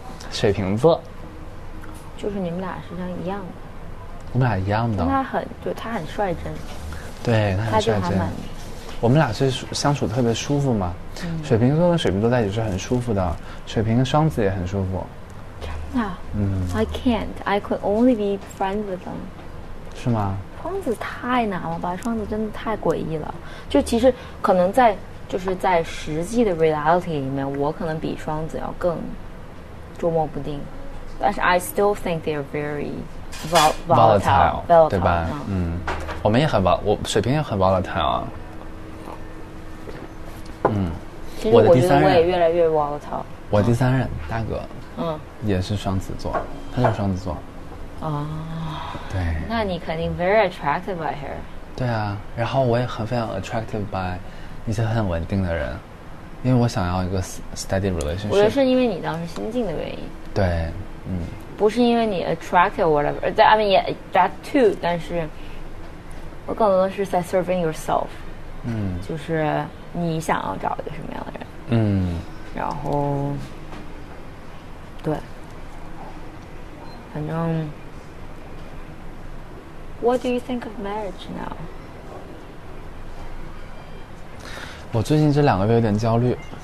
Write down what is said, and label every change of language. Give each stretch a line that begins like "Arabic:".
Chinese: 水瓶座，就是你们俩实际上一样的。我们俩一样的，他很率真，对，他很率真。我们俩是相处特别舒服嘛，水瓶座跟水瓶座在一起是很舒服的，水瓶双子也很舒服。真的？嗯。
English: I can't, I could only be friends with them。
Chinese: 是吗？双子太难了吧，双子真的太诡异了。就其实可能在就是在实际的 reality 里面，我可能比双子要更捉摸不定，但是
English: I still think they are very。
Chinese: volatile 对吧？嗯，我们也很我水平也很 volatile 啊。嗯，我的第三任，我也越来越 volatile。我第三任大哥，嗯，也是双子座，他就是双子座。哦，对，那你肯定
English: very attractive by her。
Chinese: 对啊，然后我也很非常
English: attractive by
Chinese: 一些很稳定的人，因为我想要一个
English: steady relationship。
Chinese: 我觉得是因为你当时心境的原因。对，嗯，不是因为你
English: attractive whatever, I mean yeah, that too,
Chinese: 但是我更多的是在
English: serving yourself。
Chinese: 嗯，就是你想要找一个什么样的人。嗯，然后对，反正
English: What do you think of marriage now?
Chinese: 我最近这两个月有点焦虑。